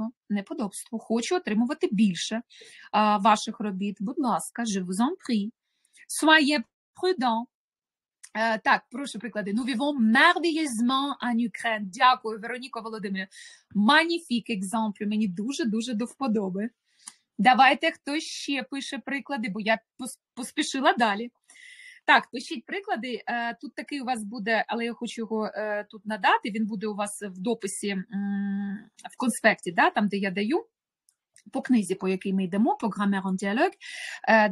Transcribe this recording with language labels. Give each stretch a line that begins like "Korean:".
Ukrainian: Неподобство, Хочу отримувати більше ваших робіт. Будь ласка,
French: je vous en prie. Soyez prudent.
Ukrainian: Так, прошу приклади.
French: Nous vivons merveilleusement en Ukraine.
Ukrainian: Дякую, Вероніко Володимирівна.
French: Magnifique exemple.
Ukrainian: Мені дуже-дуже до вподоби. Давайте, хто ще пише приклади, бо я поспішила далі. Так, пишіть приклади, тут такий у вас буде, але я хочу його тут надати, він буде у вас в дописі, в конспекті, да, там, де я даю, по книзі, по якій ми йдемо, по Grammaire en Dialogue.